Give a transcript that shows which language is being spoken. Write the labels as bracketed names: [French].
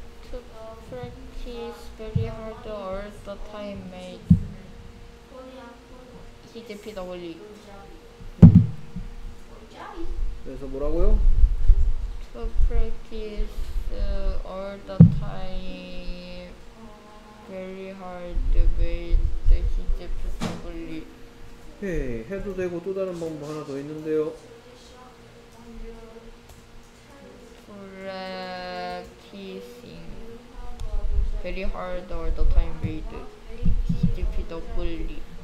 [English] To practice very hard all the time made TDPW. [Korean] 그래서 뭐라고요? [English] To practice all the time very hard made TDPW. [Korean] 예, 해도 되고 또 다른 방법 하나 더 있는데요. [English] Practicing very hard all the time made TDPW.